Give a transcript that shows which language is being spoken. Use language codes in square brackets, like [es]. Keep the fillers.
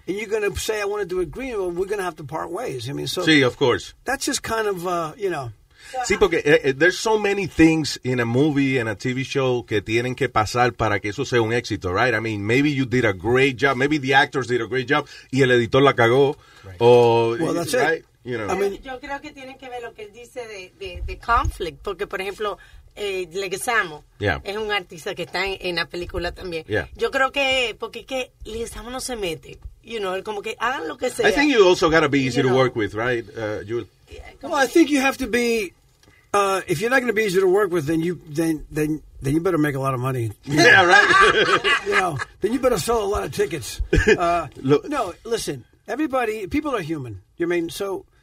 [en] And you're gonna say I want to do it green. Well, we're gonna have to part ways. I you mean, know? so see, of course, that's just kind of uh, you know. [es] Sí, porque uh, [en] there's so many things in a movie and a TV show [es] que tienen que pasar para que eso sea un éxito, right? [en] I mean, maybe you did a great job, maybe the actors did a great job [es] y el editor la cagó. [en] Right. O, well, that's right? it. You know. I mean, [es] yo creo que tiene que ver lo que él dice de, conflict, porque por ejemplo, Leguizamo es un artista que está en, la película también. Yo yeah. creo que, porque es que Leguizamo no se mete. [en] You know, I think you also got to be easy you to know. work with, right, uh, Jules. well, I think you have to be. Uh, if you're not going to be easy to work with, then you then then then you better make a lot of money. Yeah, know. right. you know, then you better sell a lot of tickets. Uh, Look, no, listen, everybody, people are human. You mean so?